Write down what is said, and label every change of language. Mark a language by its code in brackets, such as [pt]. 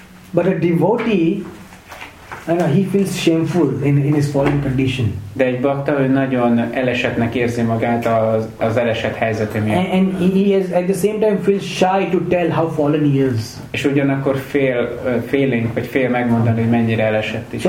[en] But a devotee, you know, he feels shameful in his fallen condition. [hu] De egy bakta, ő nagyon elesettnek érzi magát az elesett helyzete miatt. [en] And he is at the same time feels shy to tell how fallen he is. [hu] És ugyanakkor fél megmondani, hogy mennyire elesett is.